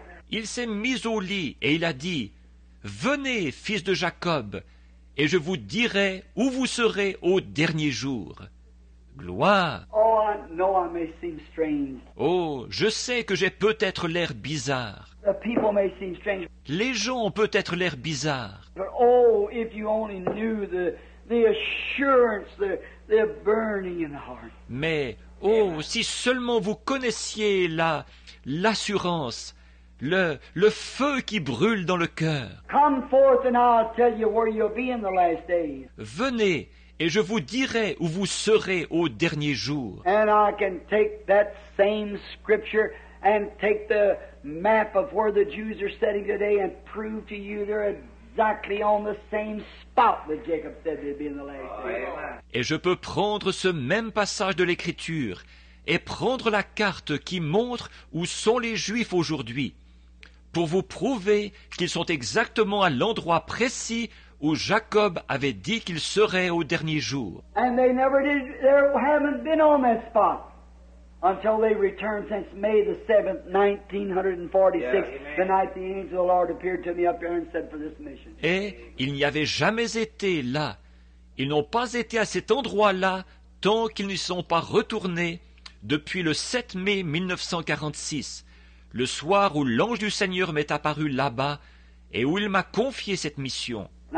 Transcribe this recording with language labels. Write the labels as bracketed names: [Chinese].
[French] Il s'est mis au lit et il a dit, « Venez, fils de Jacob, et je vous dirai où vous serez au dernier jour. » Gloire. [English] Oh, I know I may seem strange. [French] Oh, je sais que j'ai peut-être l'air bizarre. [English] The people may seem strange. [French] Les gens ont peut-être l'air bizarre. [English] But oh, if you only knew the assurance, the burning in the heart. [French] Mais, oh, yeah. Si seulement vous connaissiez l'assurance, le feu qui brûle dans le cœur. [English] Come forth and I'll tell you where you'll be in the last days. [French] Venez et je vous dirai où vous serez au dernier jour. [English] And I can take that same scripture and take the map of where the Jews are sitting today and prove to you they're exactly on the same spot that Jacob said they'd be in the last days. Amen. [French] Et je peux prendre ce même passage de l'Écriture et prendre la carte qui montre où sont les Juifs aujourd'hui, pour vous prouver qu'ils sont exactement à l'endroit précis où Jacob avait dit qu'il serait au dernier jour. [English] And they never did, they haven't been on that spot until they returned since May the 7th, 1946, yeah, the night the angel of the Lord appeared to me up here and said for this mission. [French] Et ils n'y avaient jamais été là. Ils n'ont pas été à cet endroit-là tant qu'ils n'y sont pas retournés depuis le 7 mai 1946, le soir où l'ange du Seigneur m'est apparu là-bas et où il m'a confié cette mission.